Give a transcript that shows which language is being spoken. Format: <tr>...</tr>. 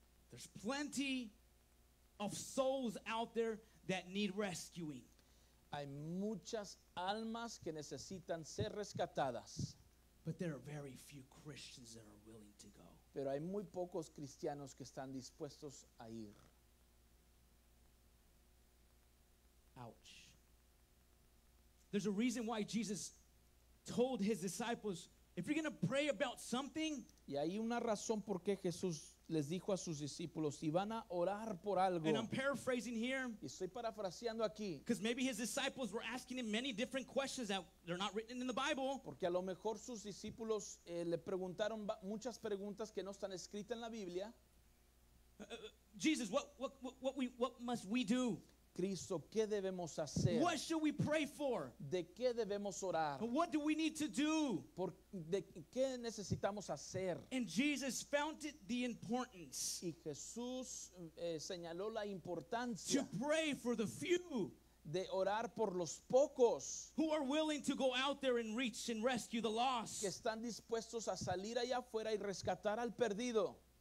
<en>There's plenty of souls out there that need rescuing.</en> <es>Hay muchas almas que necesitan ser rescatadas.</es> <en>But there are very few Christians that are willing to go.</en> <es>Pero hay muy pocos cristianos que están dispuestos a ir.</es> <en>Ouch. There's a reason why Jesus told his disciples, if you're going to pray about something,</en> <es>y hay una razón por qué Jesús les dijo a sus discípulos, si van a orar por algo,</es> <en>and I'm paraphrasing here,</en> <es>y estoy parafraseando aquí,</es> <en>because maybe his disciples were asking him many different questions that they're not written in the Bible,</en> <es>porque a lo mejor sus discípulos le preguntaron muchas preguntas que no están escritas en la Biblia.</es> <en>Jesus, what must we do?</en> <es>Cristo, ¿qué debemos hacer?</es> <en>What should we pray for?</en> <es>¿De qué debemos orar?</es> <en>What do we need to do?</en> <es>¿De qué necesitamos hacer?</es> <en>And Jesus found it the importance.</en> <es>Y Jesús señaló la importancia.</es> <en>To pray for the few.</en> <es>De orar por los pocos.</es> <en>Who are willing to go out there and reach and rescue the lost.</en> <es>Que están dispuestos a salir allá afuera y rescatar al perdido.</es>